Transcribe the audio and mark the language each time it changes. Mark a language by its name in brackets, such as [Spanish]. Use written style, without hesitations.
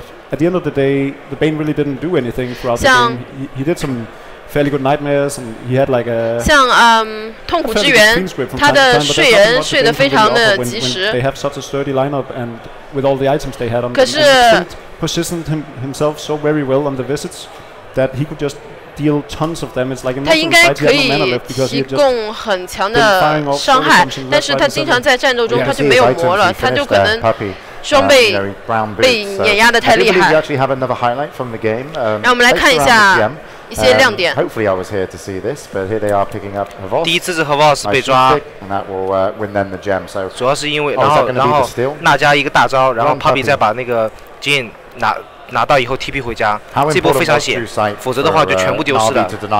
[English] At the end of the day, the Bane really didn't do anything throughout the game. He did some. Fairly good nightmares, and he had like a [Chinese] 像痛苦之源，他的睡人睡得非常的及时。 [English] They have such a sturdy lineup, and with all the items they had on, [Chinese] 可是 [English] positioned himself so very well on the visits that he could just deal tons of damage. Like [Chinese] 他应该可以提供很强的伤害，但是他经常在战斗中他就没有魔了，他就可能。装备被碾压得太厉害。让我们来看一下一些亮点。 [English] Hopefully I was here to see this, but here they are picking up Havas. [Chinese] 第一次是 Havas 被抓。 [English] And that will win them the gem. So [Chinese] 主要是因为然后那加一个大招，然后 Puppy 再把那个金拿到以后 TP 回家，这波非常险，否则的话就全部丢失了。